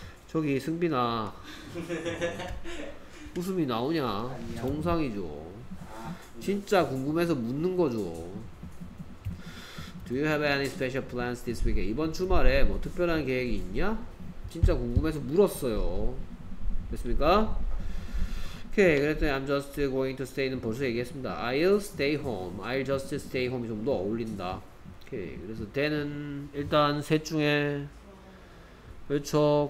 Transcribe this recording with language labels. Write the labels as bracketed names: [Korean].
[Korean] 저기 승빈아 웃음이 나오냐? 아니요. 정상이죠. 진짜 궁금해서 묻는 거죠. [English] Do you have any special plans this weekend? [Korean] 이번 주말에 뭐 특별한 계획이 있냐? 진짜 궁금해서 물었어요. 됐습니까? 오케이 그랬더니 [English] I'm just going to stay [Korean] 는 벌써 얘기했습니다. [English] I'll stay home. I'll just stay home이 [Korean] 좀 더 어울린다. 오케이 그래서 then은 일단 셋 중에 그렇죠.